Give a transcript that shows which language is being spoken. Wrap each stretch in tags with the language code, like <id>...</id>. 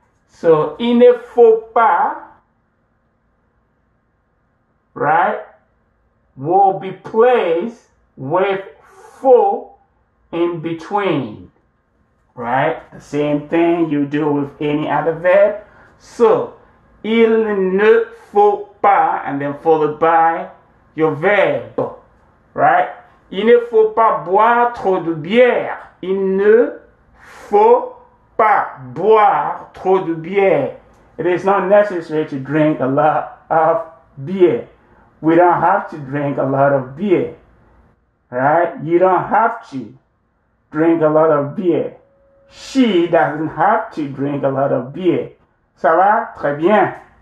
<en>So,</en> <fr>il ne faut pas,</fr> <en>right, will be placed with faut in between, right? The same thing you do with any other verb. So,</en> <fr>il ne faut pas,</fr> <en>and then followed by your verb, right?</en> <fr>Il ne faut pas boire trop de bière. Il ne faut pas boire trop de bière.</fr> <en>It is not necessary to drink a lot of beer. We don't have to drink a lot of beer, right? You don't have to drink a lot of beer. She doesn't have to drink a lot of beer.</en> <fr>Ça va? Très bien.</fr>